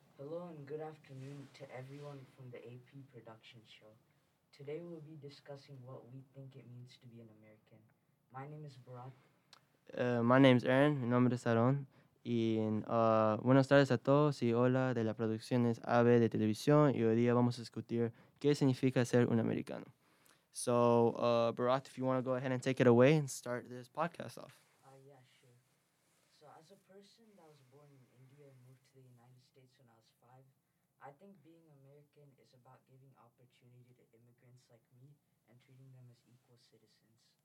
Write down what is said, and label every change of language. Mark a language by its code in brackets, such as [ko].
[en] Hello and good afternoon to everyone from the AP production show. Today we'll be discussing what we think it means to be an American. My name is Bharath. My name is Aaron. [es] Mi nombre es Aaron. Y buenas tardes a todos y hola de la producción es AB de televisión y hoy día vamos a discutir qué significa ser un americano. [en] So, Bharath, if you want to go ahead and take it away and start this podcast off. Yeah, sure. So, as a person that was born in India and moved to the United States when I was 5, I think being American is about giving opportunity to immigrants like me and treating them as equal citizens.